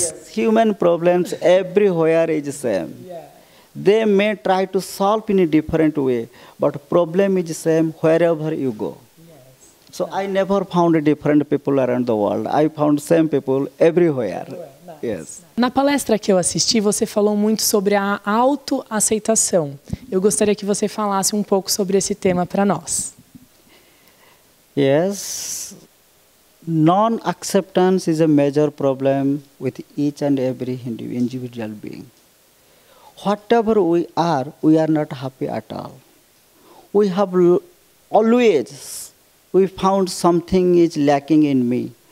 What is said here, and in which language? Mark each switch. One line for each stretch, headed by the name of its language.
English: Yes, human problems everywhere is the same. Yeah. They may try to solve in a different way, but problem is the same wherever you go. Yes. So yeah. I never found different people around the world. I found same people everywhere. Nice. Yes.
Portuguese: Na palestra que eu assisti, você falou muito sobre a autoaceitação. Eu gostaria que você falasse um pouco sobre esse tema para nós.
English: Yes. Non-acceptance is a major problem with each and every individual being. Whatever we are not happy at all. We have always, we found something is lacking in me.